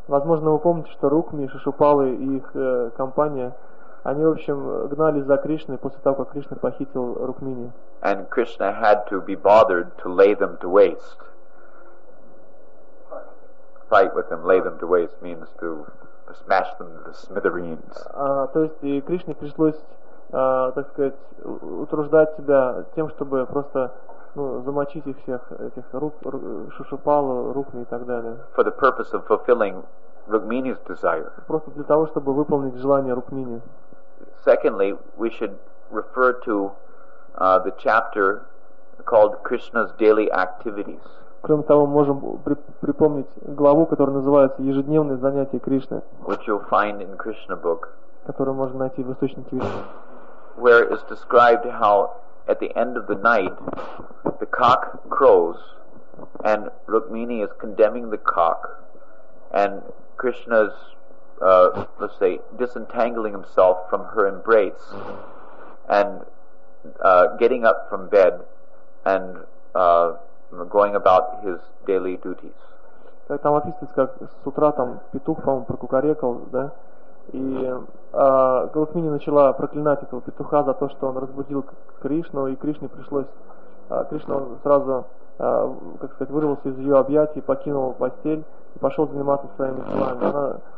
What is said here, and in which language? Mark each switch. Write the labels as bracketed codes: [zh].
[ru] Возможно, вы помните, что Рукмини, Шишупалы и их компания, они, в общем, гнались за Кришной после того, как Кришна похитил Рукмини. [en] And Krishna had to be bothered to lay them to waste. Fight with them, lay them to waste means to smash them to smithereens. [ru] То есть и Кришне пришлось так сказать, утруждать себя тем, чтобы просто замочить их всех, этих Шишупалу, Рукми и так далее. [en] For the purpose of fulfilling Rukmini's desire. [ru] Просто для того, чтобы выполнить желание Рукмини. [en] Secondly, we should refer to the chapter called Krishna's Daily Activities. [ru] Кроме того, мы можем припомнить главу, которая называется «Ежедневные занятия Кришны», [en] which you'll find in Krishna book, [ru] которую можно найти в источнике Кришны. [en] Where is described how at the end of the night the cock crows and Rukmini is condemning the cock and Krishna's let's say disentangling himself from her embrace and getting up from bed and going about his daily duties. [ru] Так там описывается, как с утра там петух, по-моему, прокукарекал, да? И Рукмини начала проклинать этого петуха за то, что он разбудил Кришну, и Кришне пришлось, Кришна сразу, как сказать, вырвался из ее объятий, покинул постель и пошел заниматься своими делами.